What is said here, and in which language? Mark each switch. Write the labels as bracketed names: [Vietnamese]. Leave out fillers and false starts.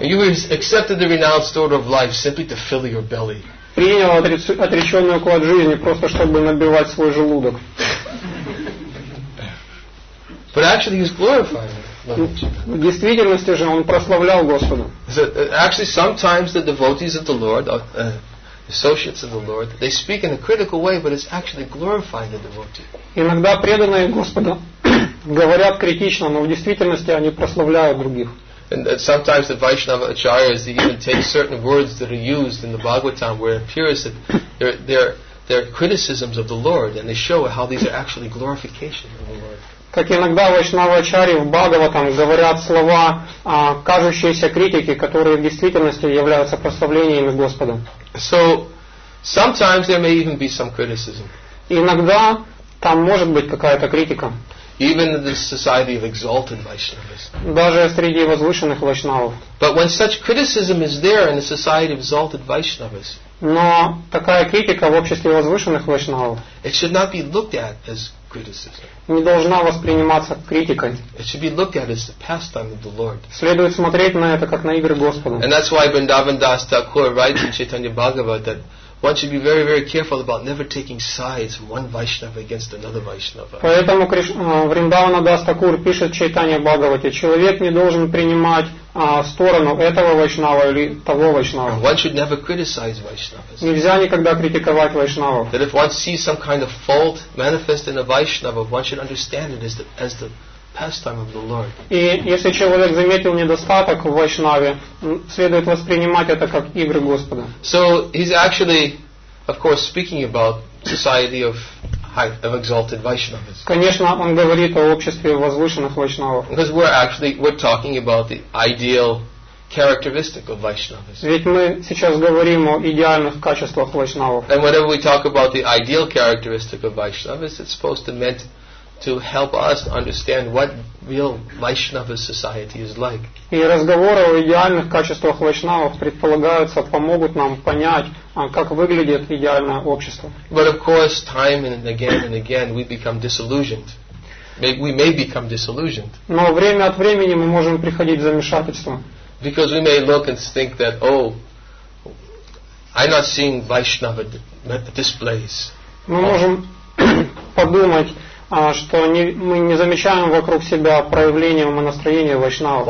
[English] You have accepted the renounced order of life simply to fill your belly. [Russian] Принял отреченный уклад жизни просто чтобы набивать свой желудок. [English] But actually, he's glorifying. [Russian] В действительности же он прославлял Господа. [English] Actually, sometimes the devotees of the Lord, associates of the Lord, they speak in a critical way, but it's actually glorifying the devotee. [Russian] Иногда преданные Господа говорят критично, но в действительности они прославляют других. [English] And sometimes the Vaishnava acharyas even take certain words that are used in the Bhagavatam, where it appears that they're criticisms of the Lord, and they show how these are actually glorification of the Lord. [Russian] Как иногда вайшнавачари в Бхагаватам говорят слова, кажущиеся критики, которые в действительности являются прославлениями Господа. [English] So, sometimes there may even be some criticism. [Russian] Иногда там может быть какая-то критика. [English] Even in the society of exalted Vaishnavas. [Russian] Даже среди возвышенных вайшнавов. [English] But when such criticism is there in a society of exalted Vaishnavas, [Russian] но такая критика в обществе возвышенных вайшнавов, [English] it should not be looked at as criticism. [Russian] Не должна восприниматься критикой. [English] It should be looked at as the pastime of the Lord. [Russian] Следует смотреть на это как на игры Господа. [English] And that's why Vrindavan Das Thakur writes in Chaitanya Bhagavata that one should be very, very careful about never taking sides one Vaishnava against another Vaishnava. [Russian] Поэтому Вриндавана Дас Такур пишет Чайтанья Бхагавате, человек не должен принимать сторону этого Вайшнава или того Вайшнава. [English] One should never criticize Vaishnavas. [Russian] Нельзя никогда критиковать Вайшнава. [English] That if one sees some kind of fault manifest in a Vaishnava, one should understand it as the pastime of the Lord. [Russian] И если человек заметил недостаток в вайшнаве, следует воспринимать это как игры Господа. [English] So he's actually, of course, speaking about society of exalted Vaishnavas. [Russian] Конечно, он говорит о обществе возвышенных вайшнавов. [English] Because we're talking about the ideal characteristic of Vaishnavas. [Russian] Ведь мы сейчас говорим о идеальных качествах вайшнавов. [English] And whenever we talk about the ideal characteristic of Vaishnavas, it's supposed to mean to help us understand what real Vaishnava society is like. [Russian] И разговоры о идеальных качествах вайшнавов предполагаются помогут нам понять, как выглядит идеальное общество. [English] But of course, time and again, we become disillusioned. We may become disillusioned. [Russian] Но время от времени мы можем приходить в замешательство. [English] Because we may look and think that, oh, I'm not seeing Vaishnava displays. [Russian] Мы можем подумать, что мы не замечаем вокруг себя проявления ума настроения вайшнава.